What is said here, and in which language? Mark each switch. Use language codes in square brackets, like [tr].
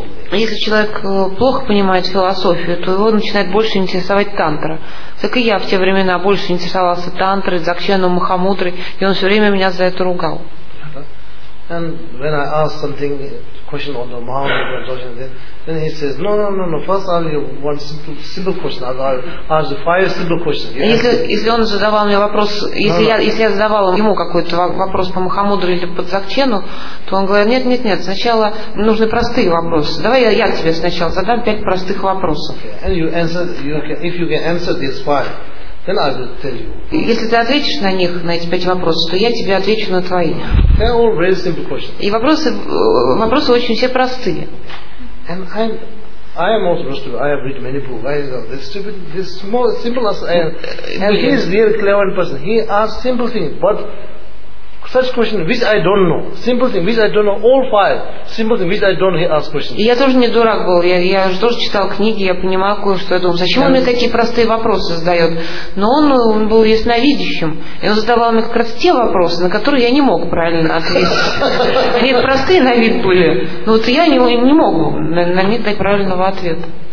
[ru] Если человек плохо понимает философию, то его начинает больше интересовать тантра. Так и я в те времена больше интересовался тантрой, дзакченом, махамудрой, и он все время меня за это ругал. [en] And when I ask something, question on the Mahamudra, then he says, no, first I'll give one simple question, I'll ask the five simple questions. [ru] Если он задавал мне вопрос, если я задавал ему какой-то вопрос по Махамудре или по Дзакчену, то он говорит, нет, сначала нужны простые вопросы. Давай я тебе сначала задам 5 простых вопросов. [en] And you answer, if you can answer these 5, then I will tell you. [ru] Если ты ответишь на них, на эти 5 вопросов, то я тебе отвечу на твои. [en] They're all very simple questions. [ru] И вопросы очень все простые. [en] And I am also very stupid. I have read many books. I know this stupid, this small, simple as I am. And he is very clever person. He asks simple things, but such question which I don't know. Simple thing which I don't know. All 5 simple thing which I don't know. He asks questions. [ru] И я тоже не дурак был. Я же тоже читал книги. Я понимал кое-что. Я думал, зачем он мне такие простые вопросы задает? Но он был ясновидящим. И он задавал мне как раз те вопросы, на которые я не мог правильно ответить. Нет, простые на вид были. Но вот я не мог на них дать правильного ответа.